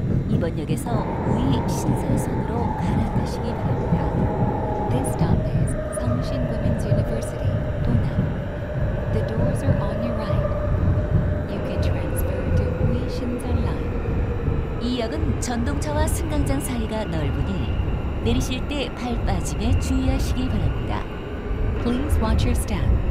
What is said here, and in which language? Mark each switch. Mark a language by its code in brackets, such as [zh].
[ko] 1번역에서 우이 신사선으로 갈아타시기 바랍니다. [en] This stop is Songshin Women's University, Dona. The doors are on your right. You can transfer to Ui Shinsan Line. [ko] 이 역은 전동차와 승강장 사이가 넓으니 내리실 때 발 빠짐에 주의하시기 바랍니다. [en] Please watch your step.